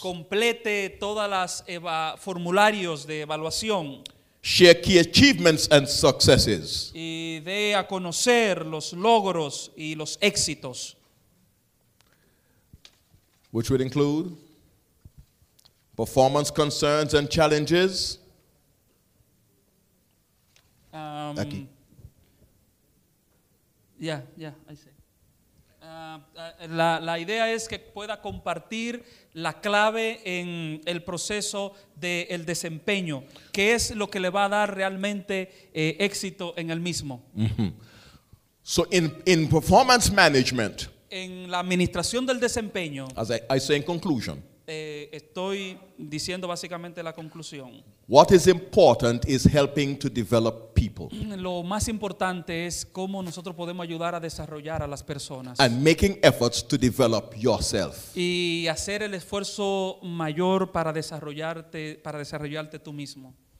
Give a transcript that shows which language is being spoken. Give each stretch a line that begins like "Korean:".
Spanish: Complete todas las formularios de evaluación.
English: Share key achievements and successes.
Spanish: Y dé a conocer los logros y los éxitos.
English: Which would include performance concerns and challenges.
Spanish: Aquí.
English: Yeah, I see.
Spanish: La idea es que pueda compartir la clave en el proceso del desempeño, que es lo que le va a dar realmente éxito en el mismo. Mm-hmm.
English: So in performance management,
Spanish: en la administración del desempeño,
English: as I say in conclusion,
Spanish: Estoy diciendo básicamente la conclusión.
English: What is important is helping to develop people.
Spanish: Lo más importante es cómo nosotros podemos ayudar a desarrollar a las personas.
English: And making efforts to develop yourself.
Spanish: Y hacer el esfuerzo mayor para desarrollarte tú mismo.